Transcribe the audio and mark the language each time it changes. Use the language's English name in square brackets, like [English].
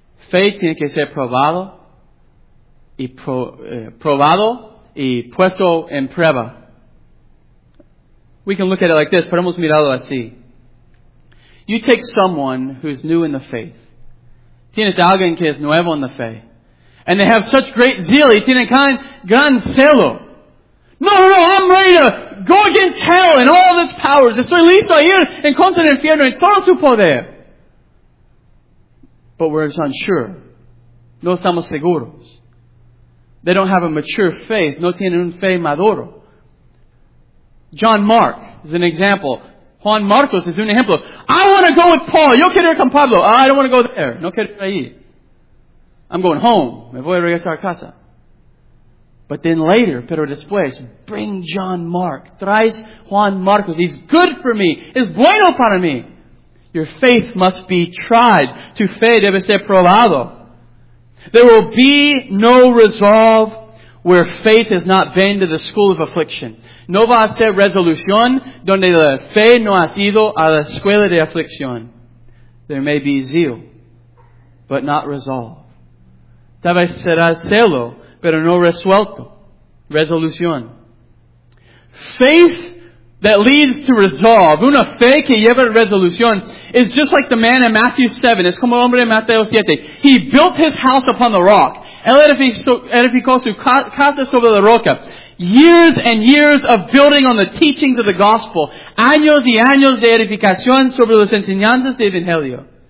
[Spanish] Faith tiene que ser probado y puesto en prueba. [English] We can look at it like this, [Spanish] pero hemos mirado así. [English] You take someone who's new in the faith. [Spanish] Tienes alguien que es nuevo en la fe. [English] And they have such great zeal. [Spanish] Y tienen kind, gran celo. [English] No, I'm ready to go against hell and all of its powers. [Spanish] Estoy listo a ir en contra del infierno y todo su poder. [English] But we're unsure. [Spanish] No estamos seguros. [English] They don't have a mature faith. [Spanish] No tienen un fe maduro. [English] John Mark is an example. [Spanish] Juan Marcos is un ejemplo. [English] I want to go with Paul. [Spanish] Yo quiero ir con Pablo. [English] I don't want to go there. [Spanish] No quiero ir ahí. [English] I'm going home. [Spanish] Me voy a regresar a casa. [English] But then later, [Spanish] pero después, [English] bring John Mark. [Spanish] Traes Juan Marcos. [English] He's good for me. [Spanish] Es bueno para mí. [English] Your faith must be tried. [Spanish] Tu fe debe ser probado. [English] There will be no resolve where faith has not been to the school of affliction. [Spanish] No va a ser resolución donde la fe no ha ido a la escuela de aflicción. [English] There may be zeal, but not resolve. [Spanish] Tal vez será celo, pero no resuelto. Resolución. [English] Faith that leads to resolve, [Spanish] una fe que lleva a resolución, [English] is just like the man in Matthew 7. [Spanish] Es como el hombre en Mateo 7. [English] He built his house upon the rock. [Spanish] Él edificó su casa sobre la roca. [English] Years and years of building on the teachings of the gospel. [Spanish] Años y años de edificación sobre las enseñanzas del Evangelio.